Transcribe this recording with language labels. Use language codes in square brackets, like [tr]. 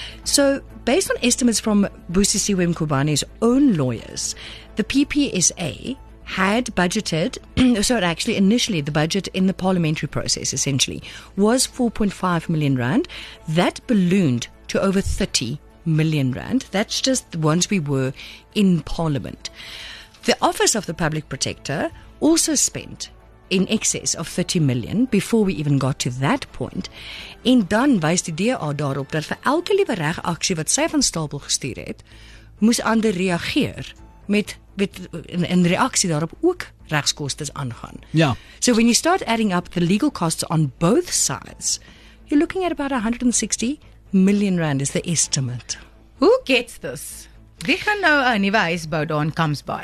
[en] So, based on estimates from Busisiwe Mkhwebane's own lawyers, the PPSA had budgeted, so actually initially the budget in the parliamentary process essentially was 4.5 million rand. That ballooned to over 30 million rand. That's just once we were in parliament. The Office of the Public Protector also spent in excess of 30 million before we even got to that point. [af] En dan wys die DA daarop dat vir elke liewe reg aksie wat sy van stapel gestuur het, moes ander reageer met in reaksie daarop ook regskostes aangaan. Ja. [en] So when you start adding up the legal costs on both sides, you're looking at about 160 million rand is the estimate. Who gets this? [af] Wie gaan nou 'n nuwe huis bou daan [en] comes by?